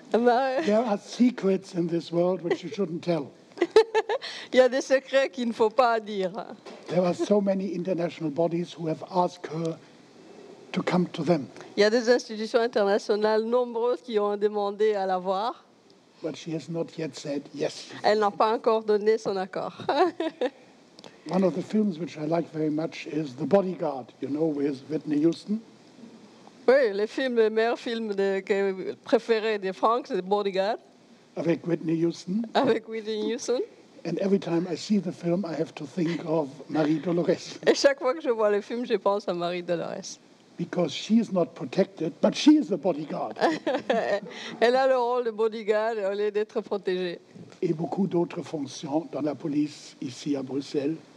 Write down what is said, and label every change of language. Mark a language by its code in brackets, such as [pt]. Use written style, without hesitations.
[en] There are secrets in this world which you shouldn't tell. [fr] Il y a des secrets qu'il ne faut pas dire. [en] There are so many international bodies who have asked her to come to them. [fr] Il y a des institutions internationales nombreuses qui ont demandé à la voir. [en] But she has not yet said yes. [fr] Elle n'a pas encore donné son accord. [en] One of the films which I like very much is The Bodyguard, you know, with Whitney Houston. [fr] Oui, le meilleur film préféré de Frank, c'est Bodyguard. Avec Whitney Houston. Avec Whitney Houston. [en] And every time I see the film, I have to think of Marie-Dolores. [fr] Et chaque fois que je vois le film, je pense à Marie-Dolores. [en] Because she is not protected, but she is the bodyguard. [fr] Elle a le rôle de bodyguard au lieu d'être protégée. Et beaucoup d'autres fonctions dans la police ici à Bruxelles.